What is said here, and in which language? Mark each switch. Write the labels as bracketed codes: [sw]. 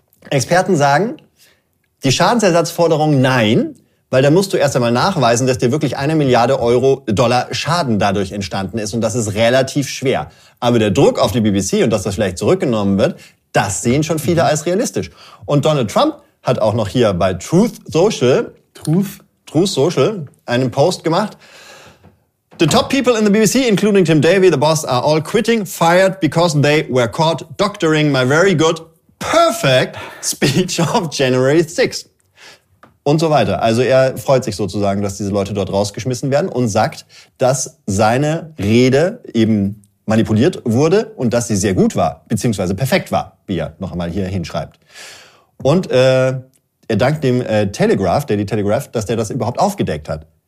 [de] Experten sagen, die Schadensersatzforderung nein, weil da musst du erst einmal nachweisen, dass dir wirklich 1 Milliarde Dollar Schaden dadurch entstanden ist. Und das ist relativ schwer. Aber der Druck auf die BBC und dass das vielleicht zurückgenommen wird, das sehen schon viele als realistisch. Und Donald Trump hat auch noch hier bei Truth Social einen Post gemacht. [en] The top people in the BBC, including Tim Davey, the boss, are all quitting, fired, because they were caught doctoring my very good, perfect speech of January 6th. [de] Und so weiter. Also er freut sich sozusagen, dass diese Leute dort rausgeschmissen werden und sagt, dass seine Rede eben manipuliert wurde und dass sie sehr gut war, beziehungsweise perfekt war, wie er noch einmal hier hinschreibt. Und er dankt dem Telegraph, dass der das überhaupt aufgedeckt hat.